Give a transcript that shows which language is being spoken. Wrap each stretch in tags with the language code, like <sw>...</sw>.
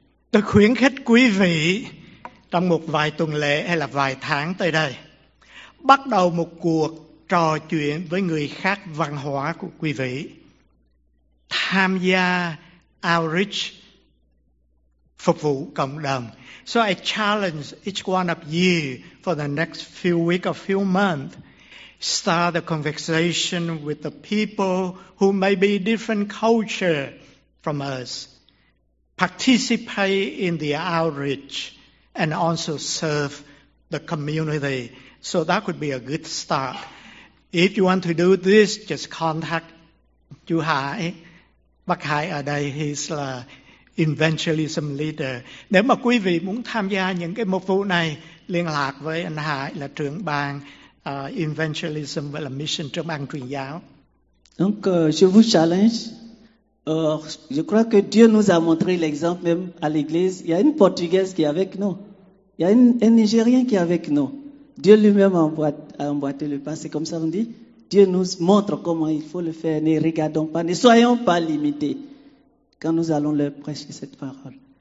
<vi>Tôi khuyến khích quý vị trong một vài tuần lễ hay là vài tháng tới đây, bắt đầu một cuộc trò chuyện với người khác văn hóa của quý vị. Tham gia outreach, phục vụ cộng đồng.</vi> <en>So I challenge each one of you for the next few weeks or few months, start a conversation with the people who may be different culture from us. Participate in the outreach and also serve the community. So that could be a good start. If you want to do this, just contact Chu Hải.</en> <vi>Bác Hải ở đây,</vi> <en>he's the evangelism leader.</en> <vi>Nếu mà quý vị muốn tham gia những cái mục vụ này, liên lạc với anh Hải là trưởng ban evangelism và là mission trưởng ban truyền giáo.</vi> <fr>Donc, je vous challenge. Je crois que Dieu nous a montré l'exemple même à l'église. Il y a une Portugaise qui est avec nous. Il y a un Nigérien qui est avec nous. Dieu lui-même a emboîté le pas. C'est comme ça on dit. Dieu nous montre comment il faut le faire. Ne regardons pas, ne soyons pas limités quand nous allons leur prêcher cette parole.</fr>